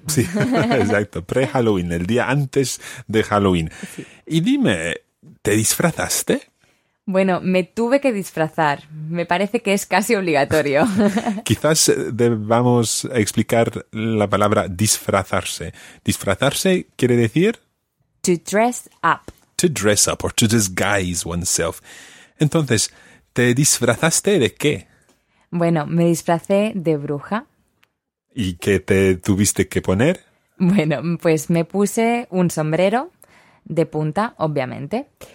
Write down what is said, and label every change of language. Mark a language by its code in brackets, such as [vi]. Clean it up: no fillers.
[es] Sí, exacto, pre-Halloween, el día antes de Halloween. Sí. Y dime, ¿te disfrazaste? Bueno, me tuve que disfrazar. Me parece que es casi obligatorio. Quizás debamos explicar la palabra disfrazarse. Disfrazarse quiere decir... [en] To dress up. To dress up or to disguise oneself. [es] Entonces, ¿te disfrazaste de qué? Bueno, me disfracé de bruja. ¿Y qué te tuviste que poner? Bueno, pues me puse un sombrero de punta, obviamente.